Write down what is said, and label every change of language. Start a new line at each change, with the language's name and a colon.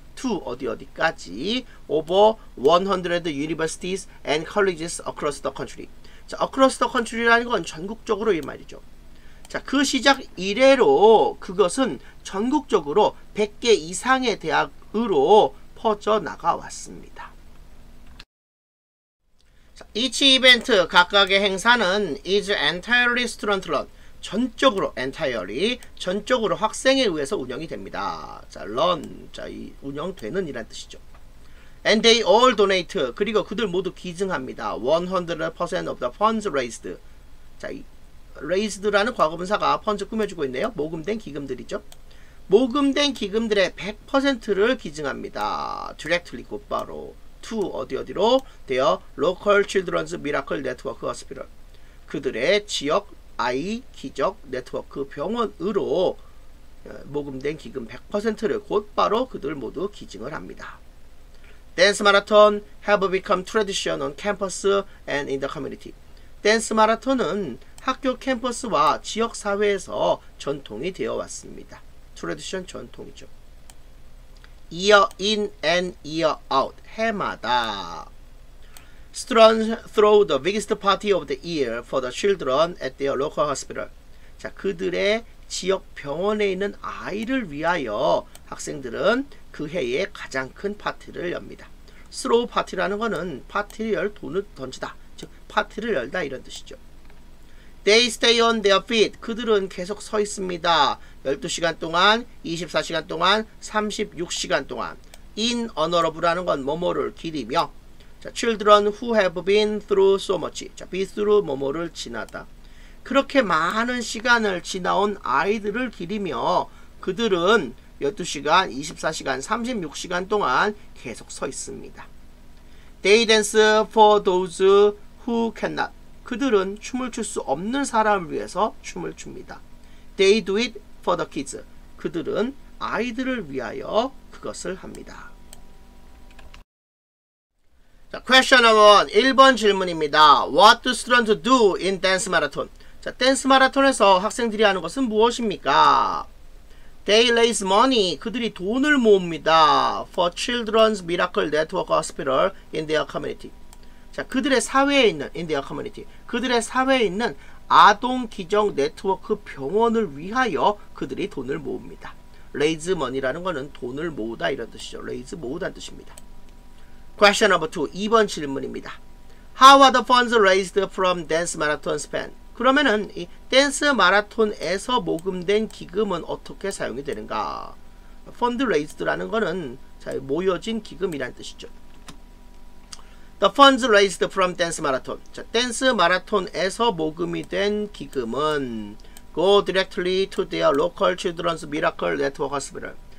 English: To
Korean: 어디어디까지
English: over 100 universities and colleges across the country.
Korean: 자,
English: across the country
Korean: 라는 건 전국적으로 이 말이죠. 자, 그 시작 이래로 그것은 전국적으로 100개 이상의 대학으로 퍼져나가왔습니다.
English: Each event,
Korean: 각각의 행사는
English: is entirely student-run,
Korean: 전적으로,
English: entirely,
Korean: 전적으로 학생에 의해서 운영이 됩니다. 자, run, 자, 이 운영되는 이란 뜻이죠.
English: And they all donate,
Korean: 그리고 그들 모두 기증합니다.
English: 100% of the funds raised.
Korean: 자, 이 raised라는 과거분사가 펀드 꾸며주고 있네요. 모금된 기금들이죠. 모금된 기금들의 100%를 기증합니다.
English: Directly,
Korean: 곧바로.
English: To
Korean: 어디어디로?
English: Their local children's miracle network hospital.
Korean: 그들의 지역 아이 기적 네트워크 병원으로 모금된 기금 100%를 곧바로 그들 모두 기증을 합니다.
English: Dance marathon have become tradition on campus and in the community.
Korean: Dance marathon은 학교 캠퍼스와 지역 사회에서 전통이 되어 왔습니다.
English: Tradition
Korean: 전통이죠.
English: Year in and year out,
Korean: 해마다.
English: Students throw the biggest party of the year for the children at their local hospital.
Korean: 자, 그들의 지역 병원에 있는 아이를 위하여 학생들은 그 해에 가장 큰 파티를 엽니다. Throw party라는 것은 파티를 열 돈을 던지다, 즉 파티를 열다 이런 뜻이죠.
English: They stay on their feet.
Korean: 그들은 계속 서 있습니다. 12시간 동안, 24시간 동안, 36시간 동안.
English: In honor of
Korean: 라는 건 뭐뭐를 기리며.
English: 자, children who have been through so much.
Korean: 자, be through 뭐뭐를 지나다. 그렇게 많은 시간을 지나온 아이들을 기리며 그들은 12시간, 24시간, 36시간 동안 계속 서 있습니다.
English: They dance for those who cannot.
Korean: 그들은 춤을 출 수 없는 사람을 위해서 춤을 춥니다.
English: They do it for the kids.
Korean: 그들은 아이들을 위하여 그것을 합니다.
English: 자, question number one.
Korean: 1번 질문입니다.
English: What do students do in dance marathon?
Korean: 자, dance marathon에서 학생들이 하는 것은 무엇입니까?
English: They raise money.
Korean: 그들이 돈을 모읍니다.
English: For Children's Miracle Network Hospital in their community.
Korean: 자, 그들의 사회에 있는,
English: in their community.
Korean: 그들의 사회에 있는 아동기정 네트워크 병원을 위하여 그들이 돈을 모읍니다.
English: Raise money
Korean: 라는 거는 돈을 모으다 이런 뜻이죠. Raise 모으다는 뜻입니다.
English: Question number 2.
Korean: 2번 질문입니다.
English: How are the funds raised from dance marathon spend?
Korean: 그러면은 이 댄스 마라톤에서 모금된 기금은 어떻게 사용이 되는가? Fundraised라는 거는 모여진 기금이란 뜻이죠.
English: The funds raised from dance marathon.
Korean: 자, 댄스 마라톤에서 모금이 된 기금은
English: go directly to their local children's miracle network hospital.